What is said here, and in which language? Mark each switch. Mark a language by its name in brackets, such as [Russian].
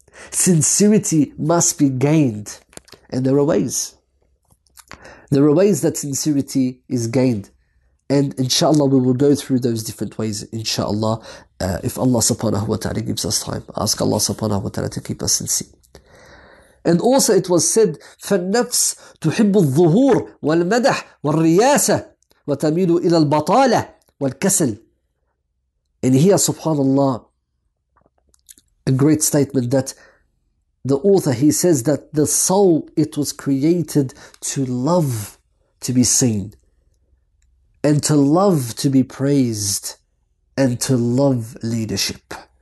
[English] Sincerity must be gained. And there are ways. There are ways that sincerity is gained. And inshallah, we will go through those different ways, inshallah, if Allah subhanahu wa ta'ala gives us time. Ask Allah subhanahu wa ta'ala to keep us sincere. And also it was said, [Arabic] فالنفس تحب الظهور والمدح والرياسة وتميل إلى البطالة والكسل. [English] And here, subhanallah, a great statement that the author, he says that the soul, it was created to love to be seen and to love to be praised and to love leadership.